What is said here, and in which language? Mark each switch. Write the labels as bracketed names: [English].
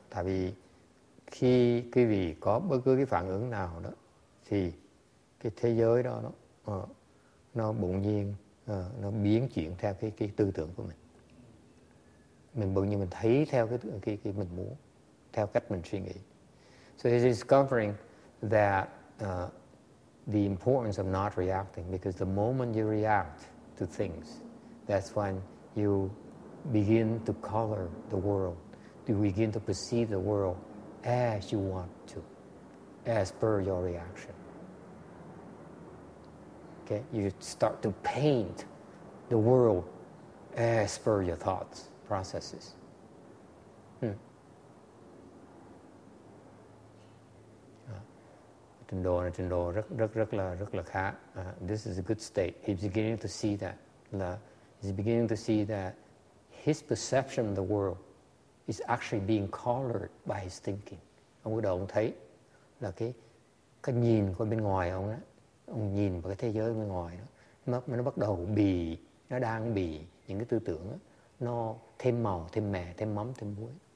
[Vietnamese] Tại vì khi quý vị có bất cứ cái phản ứng nào đó thì cái thế giới đó nó bỗng nhiên nó biến chuyển theo cái tư tưởng của mình. Mình bỗng nhiên mình thấy theo cái mình muốn, theo cách mình suy nghĩ. [English] So he's discovering that the importance of not reacting, because the moment you react to things, that's when you begin to color the world. You begin to perceive the world as you want to, as per your reaction. Okay? You start to paint the world as per your thoughts, processes. [Vietnamese] Trình độ rất là khá. [English] This is a good state. He's beginning to see that. He's beginning to see that his perception of the world is actually being colored by his thinking. [Vietnamese] Ông bắt đầu ông thấy là cái nhìn của bên ngoài ông á, ông nhìn vào cái thế giới bên ngoài đó, nó đang bị những cái tư tưởng đó, nó thêm màu, thêm mè, thêm mắm, thêm muối.